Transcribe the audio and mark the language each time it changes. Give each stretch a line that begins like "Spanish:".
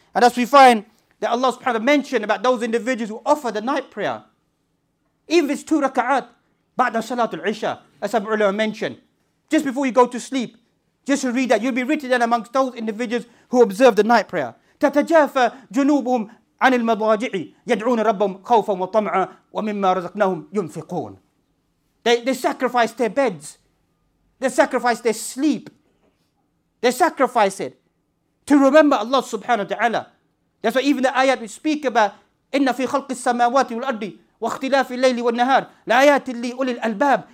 English: And as we find that Allah subhanahu wa ta'ala mentioned about those individuals who offer the night prayer, even if it's 2 raka'at, ba'da salatul isha, as some ulama mentioned, just before you go to sleep, just to read that, you'll be written down amongst those individuals who observe the night prayer.
Arabic: Tatajafa junubuhum. عن المضاجع يدعون ربهم خوفا وطمعا ومما رزقناهم ينفقون.
English: They sacrifice their beds. They sacrifice their sleep. They sacrifice it to remember Allah subhanahu wa ta'ala. That's why even the ayat we speak about,
Arabic: إن في خلق السماوات والأرض واختلاف الليل والنهار لآيات لأولي الألباب.